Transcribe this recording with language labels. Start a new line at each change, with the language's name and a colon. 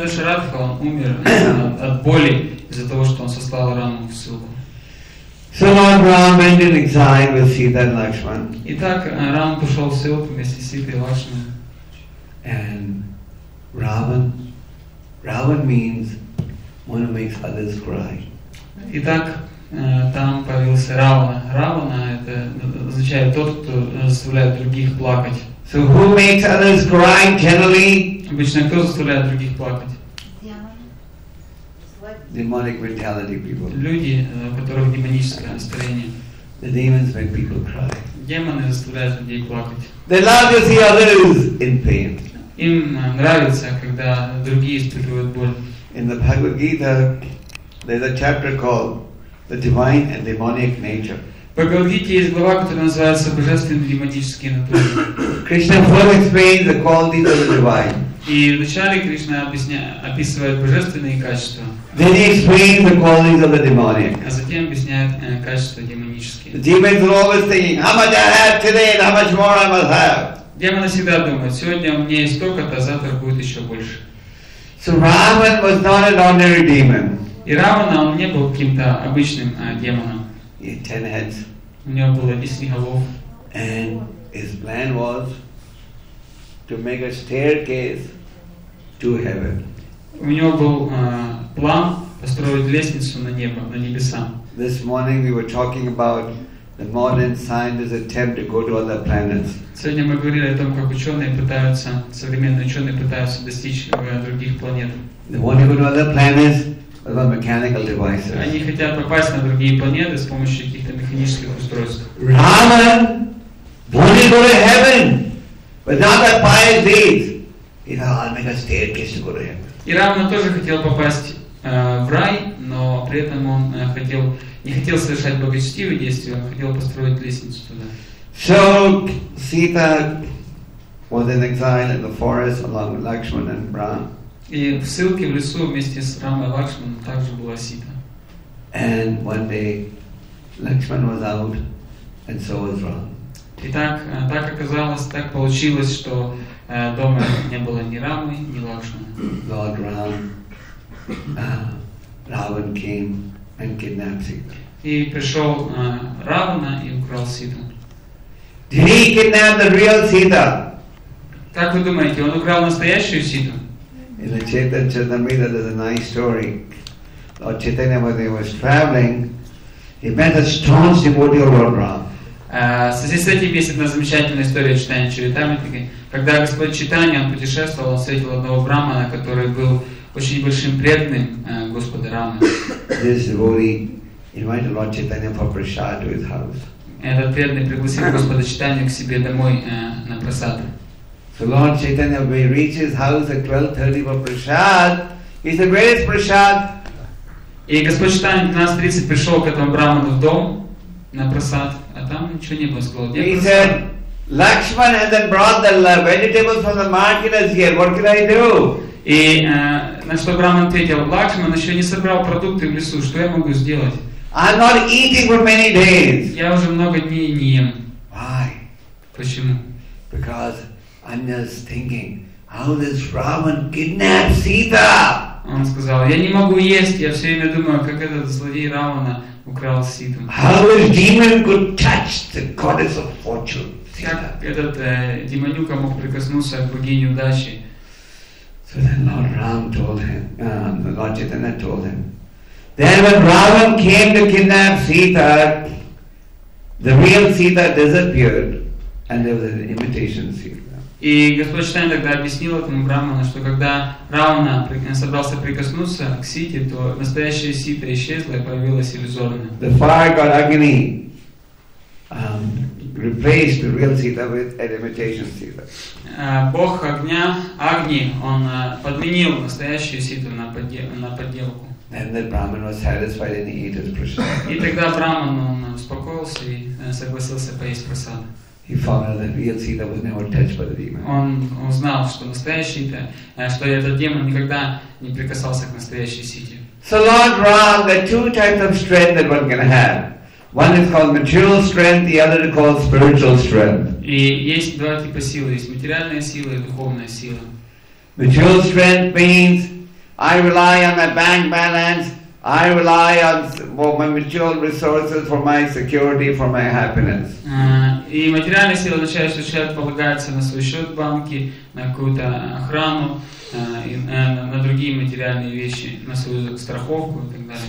Russian: Дашарадха, он умер от боли из-за того, что он сослал рану в ссылку.
English: So on Ram went in exile with Sita and Lakshman.
Russian: Итак, Рам пошел в ссылку вместе с Ситой и Лакшманом.
English: And Ravan means one who makes others cry.
Russian: Итак, там появился Равана. Равана это означает тот, кто заставляет других плакать.
English: So who makes others cry generally?
Russian: Обычно кто заставляет других плакать?
English: Demonic mentality people.
Russian: Люди, у которых демоническое настроение.
English: The demons make people cry.
Russian: Демоны заставляют людей плакать.
English: They love to see others in pain.
Russian: Им нравится, когда другие испытывают боль.
English: In the Bhagavad Gita, there's a chapter called "The Divine and Demonic Nature."
Russian: В Бхагавад-гите есть глава, которая называется «Божественные и демонические натуры».
English: Krishna first explains the qualities of the divine.
Russian: И вначале Кришна описывает божественные качества.
English: Then he explains the qualities of the demonic.
Russian: А затем объясняет качества демонические.
English: The demons are always thinking, how much I have today and how much more I must have.
Russian: Демоны всегда думают, сегодня у меня есть столько-то, а завтра будет еще больше.
English: So Raman was not an ordinary demon.
Russian: И Равана он не был каким-то обычным демоном.
English: He had 10 heads.
Russian: У него было 10 голов.
English: And his plan was to make a staircase to heaven.
Russian: У него был план построить лестницу на небо, на небеса.
English: This morning we were talking about the modern scientists' attempt to go to other planets.
Russian: Сегодня мы говорили о том, как ученые пытаются, современные ученые пытаются достичь других планет.
English: They want to go to other planets. About mechanical devices.
Russian: Они хотят попасть на другие планеты с помощью каких-то механических устройств.
English: Rama wanted to go to heaven, but not that pious deeds. He thought, I'll make a staircase to go to heaven.
Russian: И Рама тоже хотел попасть в рай, но при этом он хотел не хотел совершать благочестивые действия, он хотел построить лестницу туда.
English: So Sita was in exile in the forest along with Lakshman and Ram.
Russian: И в ссылке в лесу вместе с Рамой Лакшман также была Сита.
English: And one day Lakshman was out, and so was Ram.
Russian: И так, так оказалось, так получилось, что дома не было ни Рамы, ни Лакшмана.
English: Lord Ram, Ravan came and kidnapped Sita.
Russian: И пришел Равана и украл Ситу.
English: Did he kidnap the real Sita?
Russian: Как вы думаете, он украл настоящую Ситу?
English: In the Chaitanya Charitamrita, there's a nice story. Lord Chaitanya, when he was traveling, he met a staunch devotee of Lord Ram.
Russian: Связи с этим есть одна замечательная история Читания Чаритамриты. Когда Господь Читания, он путешествовал, он встретил одного брахмана, который был очень большим преданным Господа Рамы.
English: This devotee invited Lord Chaitanya for prasad to his house.
Russian: Этот преданный пригласил Господа Читания к себе домой на прасад.
English: So Lord Chaitanya, when he reached his house at 12:30 for prasad, he's the greatest prasad.
Russian: И Господь Читания 12:30 пришел к этому брахману в дом на прасад, а там ничего не было сказал.
English: He said, Lakshman has then brought the vegetables from the market as yet. What can I do?
Russian: И на что брахман ответил, Лакшман еще не собрал продукты в лесу. Что я могу сделать?
English: I'm not eating for many days.
Russian: Я уже много дней не ем.
English: Why?
Russian: Почему?
English: Because I'm just thinking, how this Ravan kidnapped Sita?
Russian: Он сказал, я не могу есть, я все время думаю, как этот злодей Равана украл Ситу.
English: How this demon could touch the goddess of fortune, Sita?
Russian: Как этот демонюка мог прикоснуться к богине удачи?
English: So then Lord Ram told him, Lord Chaitanya told him, then when Ravan came to kidnap Sita, the real Sita disappeared, and there was an imitation Sita.
Russian: И Господь Читания тогда объяснил этому брахману, что когда Равана собрался прикоснуться к Сите, то настоящая Сита исчезла и появилась иллюзорная.
English: The fire god Agni replaced the real Sita with an imitation Sita.
Russian: Бог огня Агни, он подменил настоящую Ситу на подделку.
English: And the brahman was satisfied and he ate his prasad.
Russian: И тогда брахман он успокоился и согласился поесть прасад.
English: He found out that real Sita was never touched by the demon.
Russian: Он узнал, что настоящий это, что этот демон никогда не прикасался к настоящей Сите.
English: So Lord Ram, there are two types of strength that one can have. One is called material strength, the other is called spiritual strength.
Russian: И есть два типа силы, есть материальная сила и духовная сила.
English: Material strength means I rely on my bank balance, I rely on my material resources for my security, for my happiness.
Russian: И материальная сила означает, что человек полагается на свой счет в банке, на какую-то охрану, на другие материальные вещи, на свою страховку и так далее.